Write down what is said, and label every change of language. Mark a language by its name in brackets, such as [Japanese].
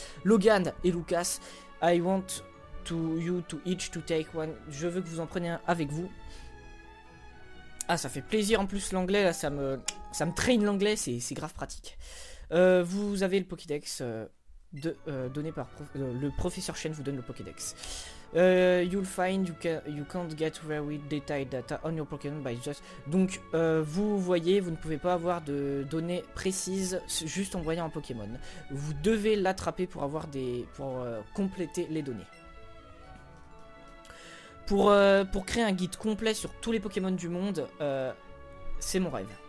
[English] Logan et Lucas, I want to you to each to take one. [French] Je veux que vous en preniez un avec vous. Ah, ça fait plaisir en plus l'anglais, là, ça me traîne l'anglais, c'est grave pratique. Vous avez le Pokédex donné par le professeur Shen vous donne le Pokédex. [English] You'll find you can't get very detailed data on your Pokémon by just. [French] Donc vous voyez, vous ne pouvez pas avoir de données précises juste en voyant un Pokémon. Vous devez l'attraper pour avoir pour compléter les données. Pour créer un guide complet sur tous les Pokémon du monde, c'est mon rêve.